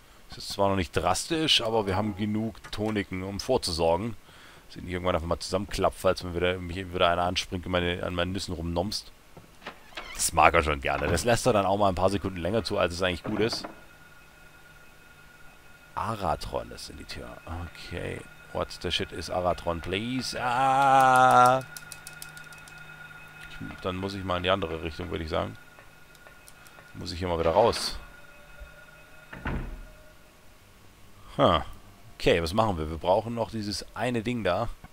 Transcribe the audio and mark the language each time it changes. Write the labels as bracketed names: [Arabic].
[German] Es ist zwar noch nicht drastisch, aber wir haben genug Toniken, um vorzusorgen. Dass ich nicht irgendwann einfach mal zusammenklappt, falls mich wieder einer anspringt und an meinen Nüssen rumnomst. Das mag er schon gerne. Das lässt er dann auch mal ein paar Sekunden länger zu, als es eigentlich gut ist. Aratron ist in die Tür. Okay. [English] What the shit is Aratron, please? [German] Dann muss ich mal in die andere Richtung, würde ich sagen. Muss ich hier mal wieder raus. Okay, was machen wir? Wir brauchen noch dieses eine Ding da.